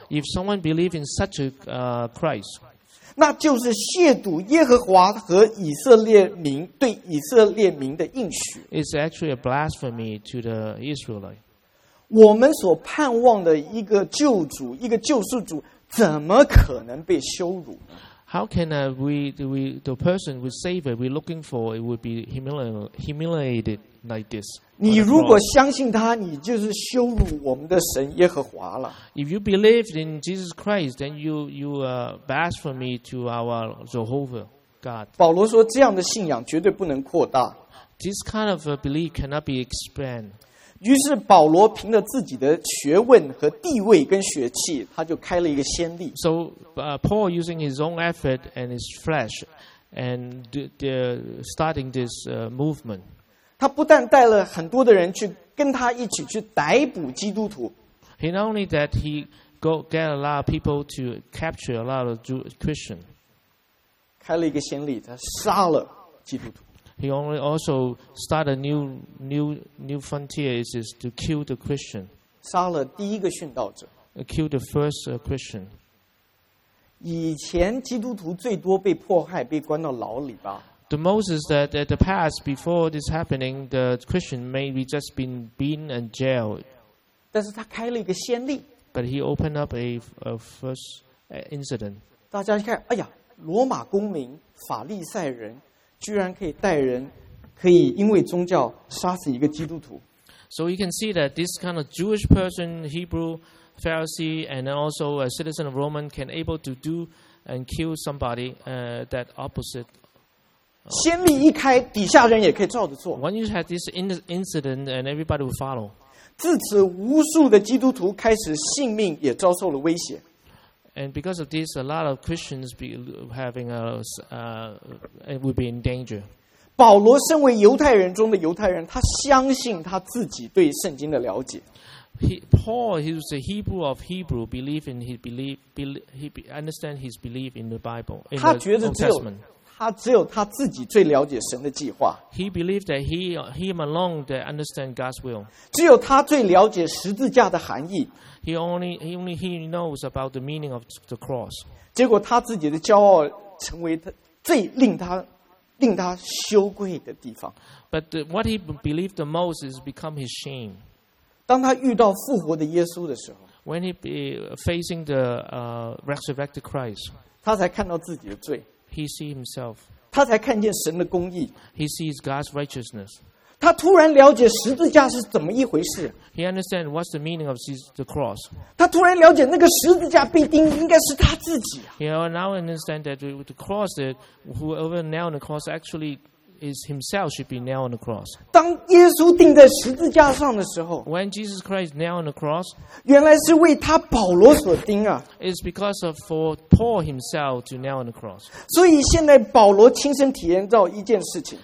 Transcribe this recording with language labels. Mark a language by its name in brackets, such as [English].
[English] ，if someone believe in such a Christ。 [Chinese] 那就是亵渎耶和华和以色列民对以色列民的应许。 [English] It's actually a blasphemy to the Israelite. [Chinese] 我们所盼望的一个救主，一个救世主，怎么可能被羞辱 [English] ？How can we the person we save we looking for it would be humiliated like this? [Chinese] 你如果相信他，你就是羞辱我们的神耶和华了。 [English] If you believe in Jesus Christ, then you are blasphemy to our Jehovah God. [Chinese] 保罗说，这样的信仰绝对不能扩大。 [English] This kind of belief cannot be expanded. [Chinese] 于是保罗凭着自己的学问和地位跟血气，他就开了一个先例。 [English] So Paul using his own effort and his flesh, and starting this movement. [Chinese] 他不但带了很多的人去跟他一起去逮捕基督徒。 [English] He not only that he go get a lot of people to capture a lot of Jewish Christians. [Chinese] 开了一个先例，他杀了基督徒。 [English] He only also start a new frontier is to kill the Christian. [Chinese] 杀了第一个殉道者。 [English] Kill the first Christian. [Chinese] 以前基督徒最多被迫害，被关到牢里吧。 [English] The Moses that at the past before this happening, the Christian maybe just been beaten and jailed. [Chinese] 但是他开了一个先例。 [English] But he opened up a first incident. [Chinese] 大家一看，哎呀，罗马公民、法利赛人，居然可以带人，可以因为宗教杀死一个基督徒。 [English] So you can see that this kind of Jewish person, Hebrew Pharisee, and also a citizen of Roman can able to do and kill somebody that opposite. [Chinese] 先例一开，底下人也可以照着做。 [English] When you had this incident, and everybody would follow. [Chinese] 自此，无数的基督徒开始性命也遭受了威胁。 [English] And because of this, a lot of Christians be having a would be in danger. [Chinese] 保罗身为犹太人中的犹太人，他相信他自己对圣经的了解。 [English] Paul, he was a Hebrew of Hebrew, believe in his belief, understand his belief in the Bible. [Chinese] 他觉得只有。他只有他自己最了解神的计划。 [English] He believed that he alone that understand God's will. [Chinese] 只有他最了解十字架的含义。 [English] He only knows about the meaning of the cross. [Chinese] 结果他自己的骄傲成为他最令他羞愧的地方。 [English] But what he believed the most is become his shame. [Chinese] 当他遇到复活的耶稣的时候 [English] ，When he facing the resurrected Christ， [Chinese] 他才看到自己的罪。 [English] He sees himself. [Chinese] 他才看见神的公义。 [English] He sees God's righteousness. [Chinese] 他突然了解十字架是怎么一回事。 [English] He understands what's the meaning of the cross. [Chinese] 他突然了解那个十字架被钉应该是他自己啊。 [English] He now understands that the cross, whoever nailed the cross actually is himself should be nailed on the cross. [Chinese] 当耶稣钉在十字架上的时候 [English] ，When Jesus Christ nailed on the cross, [Chinese] 原来是为他保罗所钉啊。 [English] It's because of for Paul himself to nail on the cross. [Chinese] 所以现在保罗亲身体验到一件事情。